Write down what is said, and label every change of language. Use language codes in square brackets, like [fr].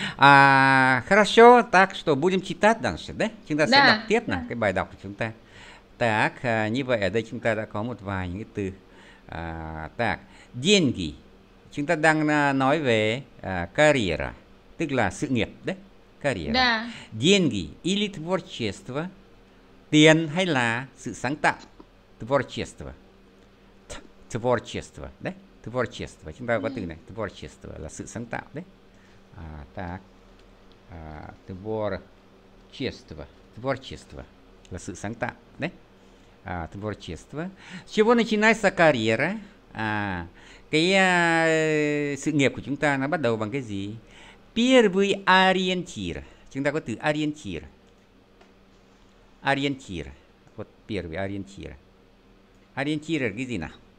[ru] А, хорошо, так что будем читать дальше, да? [vi] Chúng ta sẽ đọc tiếp nè, cái bài đọc của chúng ta. Так, như vậy ở đây chúng ta đã có một vài những từ. [ru] À, так, деньги. [vi] Chúng ta đang nói về карьера, tức là sự nghiệp, да? [ru] Карьера. Да. Деньги или творчество. [vi] Tiền hay là sự sáng tạo. [ru] Творчество. Творчество, да? Творчество. [vi] Chúng ta có từ này. Творчество là sự sáng tạo, да? [ru] А, так, а, творчество, творчество, для сы санта, да? А, творчество. С чего начинается карьера? [vi] А, cái sự nghiệp của chúng ta nó bắt đầu bằng cái gì? [ru] Первый ориентир. [vi] Chúng ta có từ ориентир. Ориентир. [ru] Вот первый ориентир. Ориентир это [vi] cái gì nào?